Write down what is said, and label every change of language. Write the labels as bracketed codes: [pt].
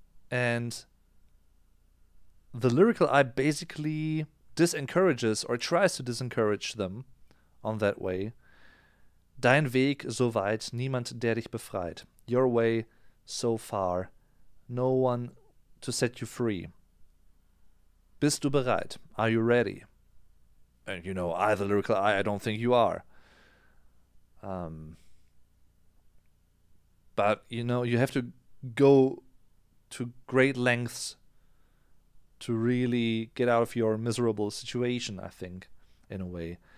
[en] And... the lyrical I basically disencourages or tries to disencourage them on that way. [de] Dein Weg so weit, niemand der dich befreit. [en] Your way so far, no one to set you free. [de] Bist du bereit? [en] Are you ready? And you know, I, the lyrical I don't think you are. But, you know, you have to go to great lengths to really get out of your miserable situation, I think, in a way.